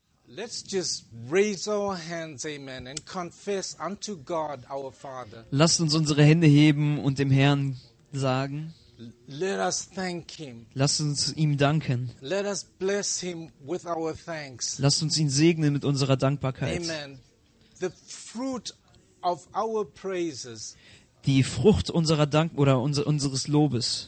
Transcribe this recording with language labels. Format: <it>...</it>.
<en>Let's just raise our hands, amen, and confess unto God our Father.</en> <de>Lasst uns unsere Hände heben und dem Herrn sagen.</de> <en>Let us thank him.</en> <de>Lasst uns ihm danken.</de> <en>Let us bless him with our thanks.</en> <de>Lasst uns ihn segnen mit unserer Dankbarkeit.</de> <en>Amen. The fruit of our praises.</en> <de>Die Frucht unserer Dank oder unseres Lobes.</de>